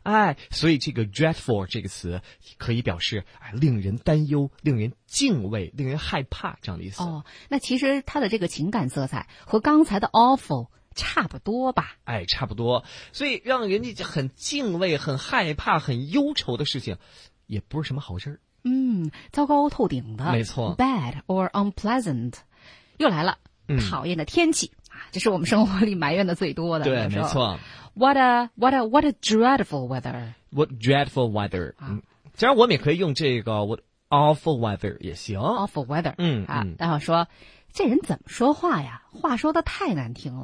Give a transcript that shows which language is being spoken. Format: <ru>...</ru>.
<zh>哎，所以这个 dreadful 这个词可以表示、哎、令人担忧，令人敬畏，令人害怕这样的意思。哦，那其实它的这个情感色彩和刚才的 awful差不多吧，哎，差不多。所以让人家很敬畏，很害怕，很忧愁的事情也不是什么好事。嗯，糟糕透顶的，没错。</zh> <en>Bad or unpleasant，</en> <zh>又来了、嗯，讨厌的天气啊，这是我们生活里埋怨的最多的。对，没错。</zh> <en>What a dreadful weather！ What dreadful weather！嗯，</en> <zh>其实我们也可以用这个</zh> <en>What awful weather</en> <zh>也行。</zh> <en>Awful weather！嗯</en> <zh>啊，然后说这人怎么说话呀？话说的太难听了。</zh>